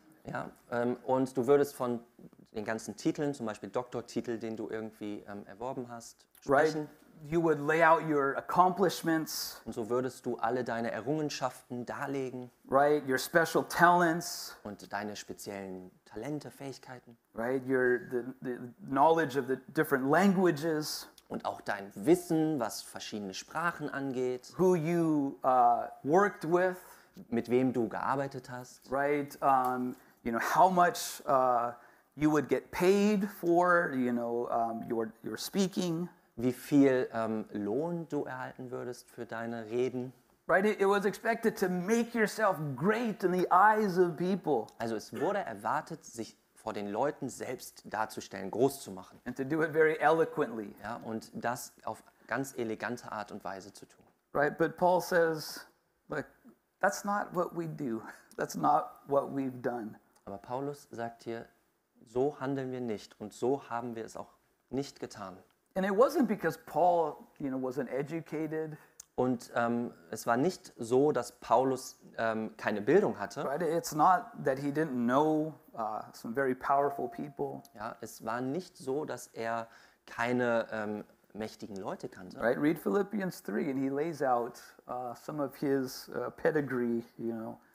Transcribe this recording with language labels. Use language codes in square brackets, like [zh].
[de] Ja, und du würdest von den ganzen Titeln, zum Beispiel Doktortitel, den du irgendwie erworben hast, sprechen. [en] Right. You would lay out your accomplishments. [de] Und so würdest du alle deine Errungenschaften darlegen. [en] Right, your special talents. [de] Und deine speziellen Talente, Fähigkeiten. [en] Right, your the knowledge of the different languages. [de] Und auch dein Wissen, was verschiedene Sprachen angeht. [en] Who you worked with. [de] Mit wem du gearbeitet hast. [en] Right, you know, how much you would get paid for, you know, your speaking. [de] Wie viel Lohn du erhalten würdest für deine Reden. [en] Right, it was expected to make yourself great in the eyes of people. [de] Also es wurde erwartet, sich vor den Leuten selbst darzustellen, groß zu machen. [en] And to do it very eloquently. [de] Ja, und das auf ganz elegante Art und Weise zu tun. [en] Right, but Paul says, like, that's not what we do. That's not what we've done. [de] Aber Paulus sagt hier, so handeln wir nicht und so haben wir es auch nicht getan. [en] And it wasn't because Paul, you know, wasn't educated. [de] Und es war nicht so, dass Paulus keine Bildung hatte. [en] Right? It's not that he didn't know some very powerful people. [de] Ja, es war nicht so, dass er keine mächtigen Leute kannte. [en] Right? Read Philippians 3 and he lays out some of his pedigree, you know.